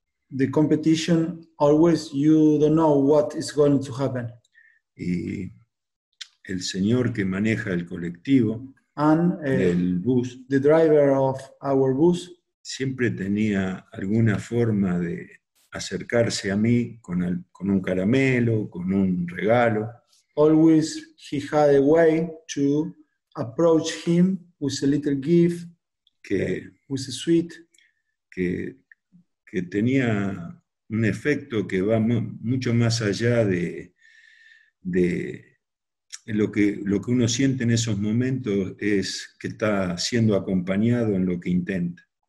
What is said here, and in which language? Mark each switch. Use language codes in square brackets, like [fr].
[en] The competition always you don't know what is going to happen. [es] Y el señor que maneja el colectivo [en] and [es] el bus [en] the driver of our bus [es] siempre tenía alguna forma de acercarse a mí con un caramelo, con un regalo. [en] Always he had a way to approach him with a little gift, with a sweet. [es] Que tenía un efecto que va mucho más allá de lo que uno siente en esos momentos es que está siendo acompañado en lo que intenta.